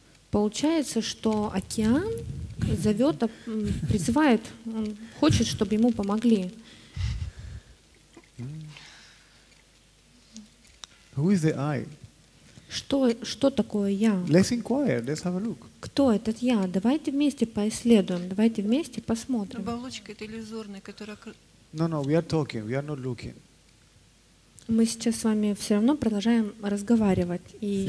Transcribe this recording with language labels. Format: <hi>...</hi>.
<ru>Получается, что океан зовет, призывает, он хочет, чтобы ему помогли.</ru> <en>Who is the I?</en> <ru>Что такое я?</ru> <en>Let's inquire, let's have a look.</en> <ru>Кто этот я? Давайте вместе поисследуем, давайте вместе посмотрим. Оболочка это иллюзорная, которая...</ru> <en>No, we are talking, we are not looking.</en> <ru>Мы сейчас с вами все равно продолжаем разговаривать и</ru> <en>See?</en>